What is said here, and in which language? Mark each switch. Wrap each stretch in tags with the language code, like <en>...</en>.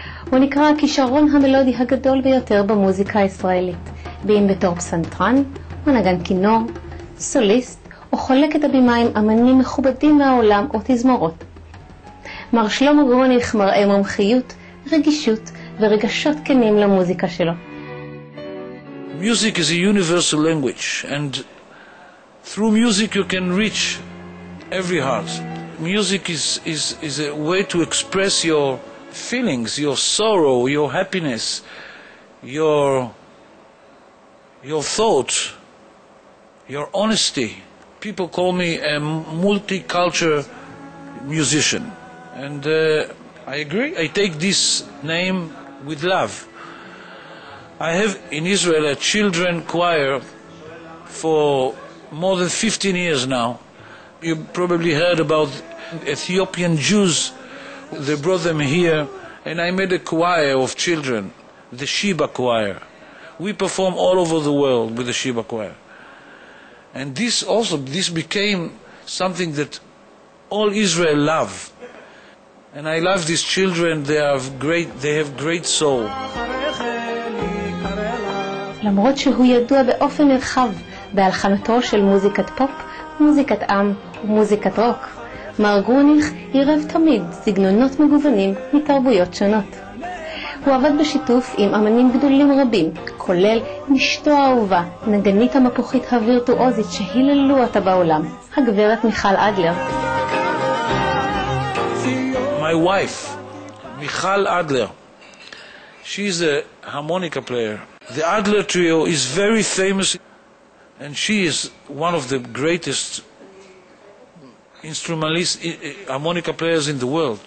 <he>הוא נקרא הכישרון המלודי הגדול ביותר במוזיקה הישראלית, ואם בתור פסנתרן, מנגן כינור, סוליסט, או חולק את הבימה עם אמנים מכובדים מהעולם או תזמורות. מר שלמה גרוניך מראה מומחיות, רגישות ורגשות כנים למוזיקה שלו.</he> <en>Music is a universal language, and through music you can reach every heart. Music is a way to express your feelings, your sorrow, your happiness, your thought, your honesty. People call me a multicultural musician, and I agree. I take this name with love. I have in Israel a children choir for more than 15 years now. You probably heard about Ethiopian Jews. They brought them here, and I made a choir of children, the Sheba Choir. We perform all over the world with the Sheba Choir. And this also, this became something that all Israel love. And I love these children, they have great soul.</en> <he>למרות שהוא ידוע באופן נרחב בהלחנתו של מוזיקת פופ, מוזיקת עם ומוזיקת רוק, מר גרוניך עירב תמיד סגנונות מגוונים מתרבויות שונות. הוא עבד בשיתוף עם אמנים גדולים רבים, כולל נשתו האהובה, נגנית המפוחית הווירטואוזית שהיללו אותה בעולם, הגברת מיכל אדלר.</he> <en>My wife, מיכל אדלר, she's a harmonica player. The Adler trio is very famous, and she is one of the greatest instrumentalist harmonica players in the world.</en>